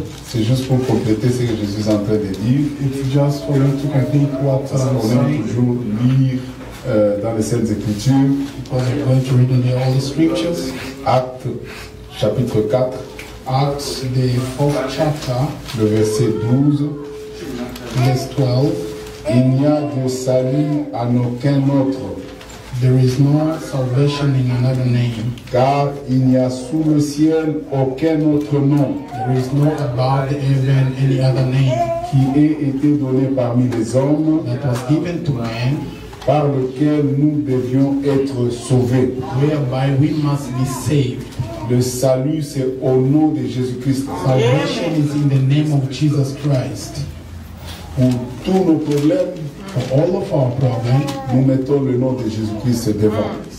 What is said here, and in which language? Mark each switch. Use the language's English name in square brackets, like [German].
[French] C'est juste pour compléter ce que Jésus est en train de dire. [English] It's just for you to complete what I'm saying. [French] On aime toujours lire dans les Saintes Écritures. [English] Because you're going to read in the Holy Scriptures. [French] Actes chapitre 4. [English] Acts the fourth chapter. [French] Le verset 12. [English] Verse 12. [French] Il n'y a de salut en aucun autre. [English] There is no salvation in another name. [French] Car il n'y a sous le ciel aucun autre nom. [English] There is no above heaven any other name. [French] Qui ait été donné parmi les hommes. [English] That was given to man. [French] Par lequel nous devions être sauvés. [English] Whereby we must be saved. [French] Le salut c'est au nom de Jésus Christ. [English] Salvation is in the name of Jesus Christ. [French] Pour tous nos problèmes, [English] for all of our problems, [French] nous mettons le nom de Jésus-Christ devant.